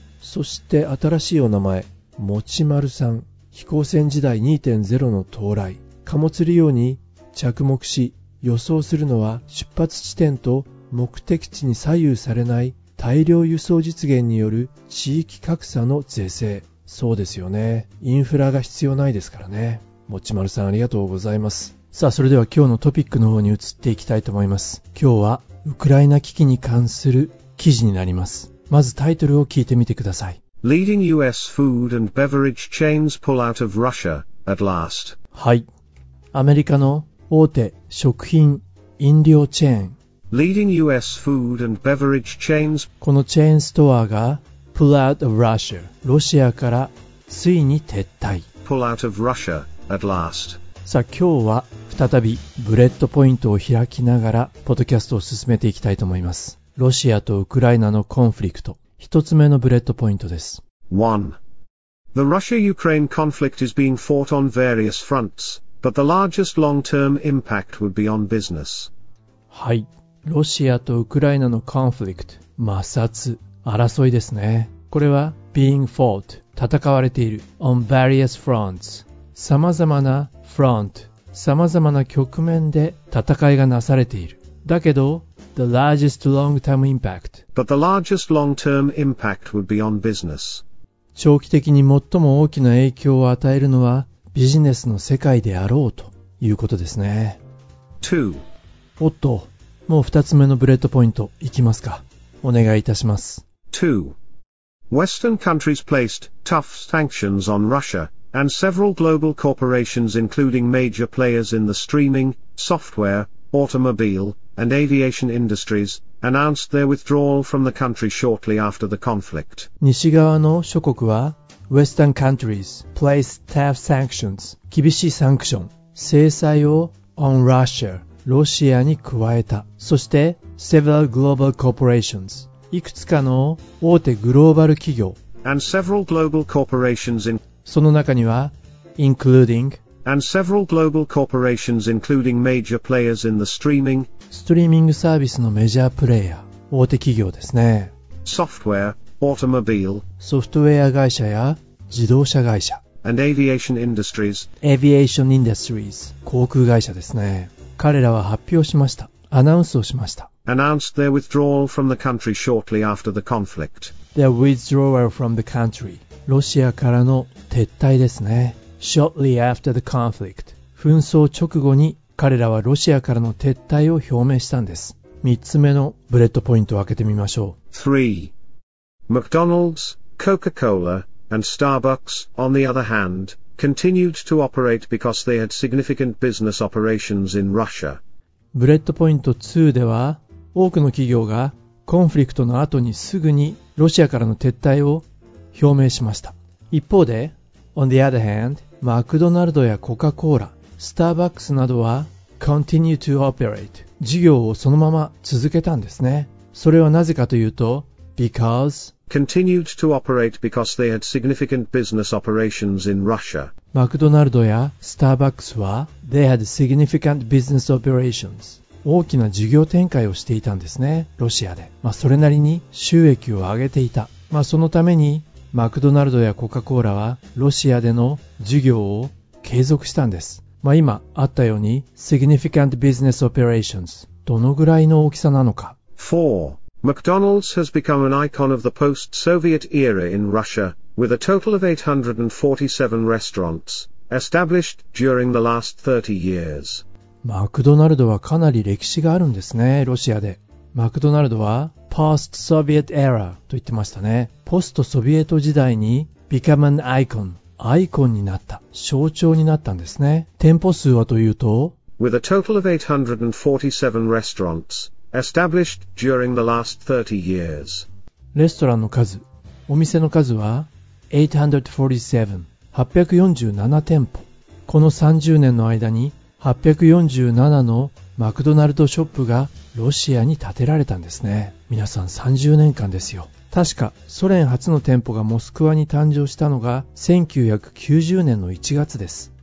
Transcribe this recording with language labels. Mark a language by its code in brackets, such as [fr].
[ja] そして新しいお名前、もちまるさん、飛行船時代 2.0 の到来、貨物利用に着目し、予想するのは出発地点と目的地に左右されない大量輸送実現による地域格差の是正。そうですよね、インフラが必要ないですからね。もちまるさん、ありがとうございます。さあ、それでは今日のトピックの方に移っていきたいと思います。今日はウクライナ危機に関する記事になります。まずタイトルを聞いてみてください。 [en] Leading US food and beverage chains pull out of Russia at last。 [ja] はい、アメリカの大手食品飲料チェーン、 [en] Leading US food and beverage chains、 [ja] このチェーンストアが [en] pull out of Russia、 [ja] ロシアからついに撤退。 [en] pull out of Russia at last。 [ja] さあ、今日は再びブレッドポイントを開きながらポッドキャストを進めていきたいと思います。ロシアとウクライナのコンフリクト、一つ目のブレッドポイントです。 [en] 1. The Russia-Ukraine conflict is being fought on various fronts, but the largest long-term impact would be on business。 [ja] はい、ロシアとウクライナのコンフリクト、摩擦、争いですね。これは [en] being fought、 [ja] 戦われている。 [en] on various fronts、 [ja] さまざまなフロント、さまざまな局面で戦いがなされている。だけど、 [en] the largest long-term impact。 But the largest long-term impact would be on business。 [ja] 長期的に最も大きな影響を与えるのはビジネスの世界であろうということですね。 [en] Two。 [ja] おっと、もう二つ目のブレッドポイントいきますか。お願いいたします。 [en] Two。 Western countries placed tough sanctions on Russia。 And several global corporations including major players in the streaming, software, automobile, and aviation industries announced their withdrawal from the country shortly after the conflict. [ja] 西側の諸国は [en] Western countries placed tough sanctions, [ja] 厳しいサンクション、制裁を [en] on Russia, [ja] ロシアに加えた。そして [en] several global corporations、 [ja] いくつかの大手グローバル企業、 [en] and several global corporations in、 [ja] その中には including、 [en] and several global corporations including major players in the streaming、 [ja] ストリーミングサービスのメジャープレイヤー、大手企業ですね。 [en] software、 automobile、 [ja] ソフトウェア会社や自動車会社、 [en] and aviation industries、 aviation industries、 [ja] 航空会社ですね。彼らは発表しました。アナウンスをしました。 [en] Announced their withdrawal from the country shortly after the conflict. Their withdrawal from the country. [ja] ロシアからの撤退ですね。 [en] Shortly after the conflict. [ja] 紛争直後に彼らはロシアからの撤退を表明したんです。三つ目のブレッドポイントを開けてみましょう。 [en] 3. McDonald's, Coca-Cola, and Starbucks, on the other hand,continued to operate because they had significant business operations in Russia. [ja] ブレッドポイント2では、多くの企業がコンフリクトの後にすぐにロシアからの撤退を表明しました。一方で、 [en] on the other hand, [ja] マクドナルドやコカ・コーラ、スターバックスなどは [en] continue to operate、 [ja] 事業をそのまま続けたんですね。それはなぜかというと、because [en] Continued to operate because they had significant business operations in Russia. [ja] マクドナルドやスターバックスは [en] They had significant business operations. [ja] 大きな事業展開をしていたんですね、ロシアで。まあそれなりに収益を上げていた。まあそのためにマクドナルドやコカ・コーラはロシアでの事業を継続したんです。まあ今あったように [en] significant business operations [ja] どのぐらいの大きさなのか。 [en] 4. McDonald's has become an icon of the post-Soviet era in Russia, with a total of 847 restaurants, established during the last 30 years. [ja] マクドナルドはかなり歴史があるんですね、ロシアで。マクドナルドは [en] post-Soviet era [ja] と言ってましたね。ポストソビエト時代に [en] become an icon、 [ja] アイコンになった、象徴になったんですね。店舗数はというと、 [en] with a total of 847 restaurants,Established during the last 30 years. [ja] レストランの数、お店の数は847店舗。この30年の間に847のマクドナルドショップがロシアに建てられたんですね。皆さん30年間ですよ。確かソ連初の店舗がモスクワに誕生したのが1990年の1月です。